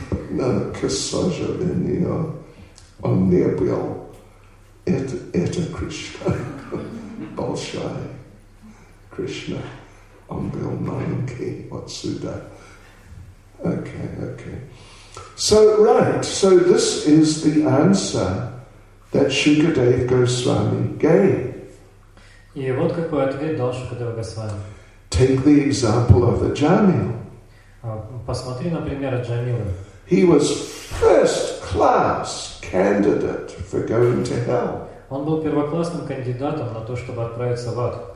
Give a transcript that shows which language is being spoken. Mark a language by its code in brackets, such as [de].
[ru] Но, к сожалению, он не был это Кришна. Большой Кришна. Он был маленький вот сюда. [en] Okay. So this is the answer that Shukadev Goswami gave. [ru] И вот какой ответ дал Шукадева Госвами. [en] Take the example of the Jamil. [ru] Посмотри, например, Джамилу. [en] He was first class candidate for going to hell. [ru] Он был первоклассным кандидатом на то, чтобы отправиться в ад.